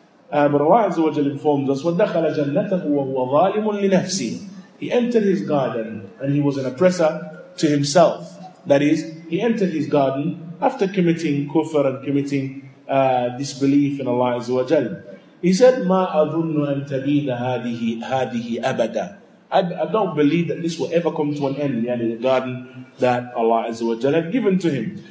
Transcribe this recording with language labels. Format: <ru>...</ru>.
<en>But Allah Azza wa Jal informs us,</en> <ar>وَدَّخَلَ جَنَّتَهُ وَهُوَ ظَالِمٌ لِنَفْسِهِ.</ar> <en>He entered his garden and he was an oppressor to himself. That is, he entered his garden after committing kufr and committing disbelief in Allah Azza wa Jal. He said,</en> <ar>مَا أَظُنُّ أَن تَبِيدَ هَذِهِ أَبَدًا.</ar> <en>I don't believe that this will ever come to an end, yani the garden that Allah Azza wa Jal had given to him.</en>